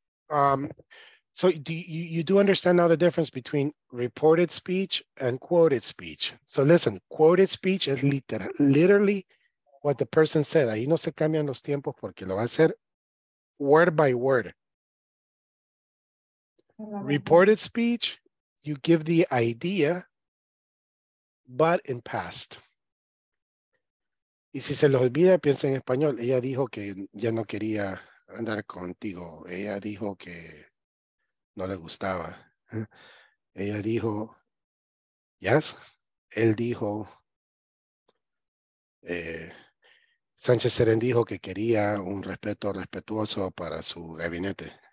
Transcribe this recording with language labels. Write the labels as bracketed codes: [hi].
[en] So do you do understand now the difference between reported speech and quoted speech. So listen, quoted speech is literally what the person said. [es] Ahí no se cambian los tiempos porque lo va a hacer [en] word by word. Reported speech, you give the idea, but in past. [es] Y si se los olvida, piensa en español. Ella dijo que ya no quería andar contigo. Ella dijo que no le gustaba. Ella dijo, yes. Él dijo, Sánchez Serén dijo que quería un respeto respetuoso para su gabinete.